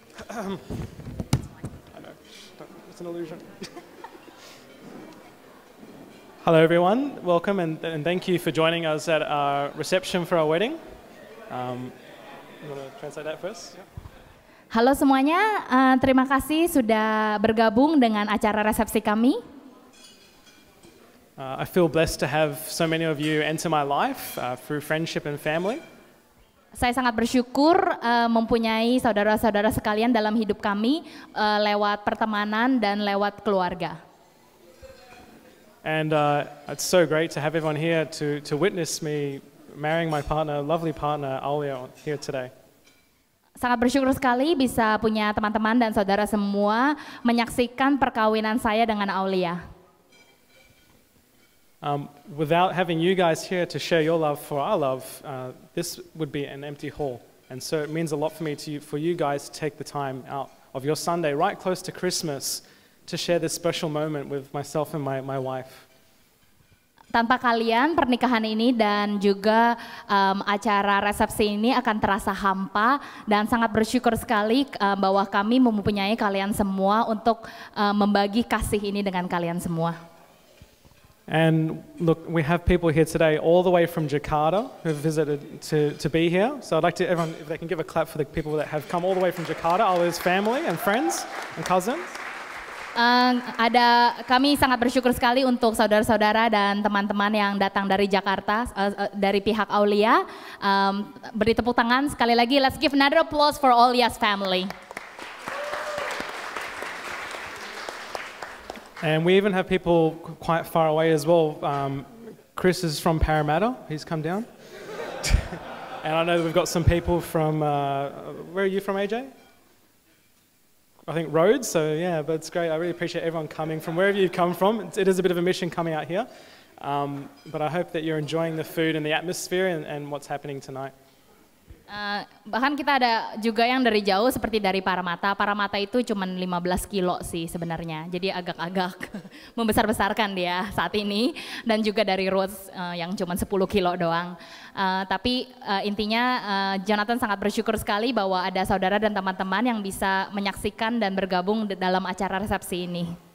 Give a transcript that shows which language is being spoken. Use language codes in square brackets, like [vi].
[en] I know, it's an illusion. Hello everyone, welcome and thank you for joining us at our reception for our wedding. You want to translate that first? Yeah. [id] Halo semuanya, terima kasih sudah bergabung dengan acara resepsi kami. [en] I feel blessed to have so many of you enter my life through friendship and family. [id] Saya sangat bersyukur mempunyai saudara-saudara sekalian dalam hidup kami lewat pertemanan dan lewat keluarga. [en] And it's so great to have everyone here to witness me marrying my partner, lovely partner Aulia here today. [id] Sangat bersyukur sekali bisa punya teman-teman dan saudara semua menyaksikan perkawinan saya dengan Aulia. [en] Without having you guys here to share your love for our love, this would be an empty hall. And so it means a lot for me for you guys to take the time out of your Sunday, right close to Christmas, to share this special moment with myself and my wife. [id] Tanpa kalian, pernikahan ini dan juga acara resepsi ini akan terasa hampa, dan sangat bersyukur sekali bahwa kami mempunyai kalian semua untuk membagi kasih ini dengan kalian semua. [en] And look, we have people here today all the way from Jakarta who have visited to be here. So I'd like to, everyone, if they can give a clap for the people that have come all the way from Jakarta, all his family and friends and cousins. [id] Ada kami sangat bersyukur sekali untuk saudara-saudara dan teman-teman yang datang dari Jakarta dari pihak Aulia. Beri tepuk tangan sekali lagi. [en] Let's give another applause for Aulia's family. And we even have people quite far away as well. Chris is from Parramatta. He's come down. And I know that we've got some people from where are you from, AJ? I think Rhodes, so yeah, but it's great. I really appreciate everyone coming from wherever you've come from. It is a bit of a mission coming out here. But I hope that you're enjoying the food and the atmosphere and what's happening tonight. [id] Bahkan kita ada juga yang dari jauh seperti dari Parramatta. Parramatta itu cuma 15 kilo sih sebenarnya. Jadi agak-agak membesar-besarkan dia saat ini. Dan juga dari Rhodes yang cuma 10 kilo doang. Tapi intinya Jonathan sangat bersyukur sekali bahwa ada saudara dan teman-teman yang bisa menyaksikan dan bergabung dalam acara resepsi ini.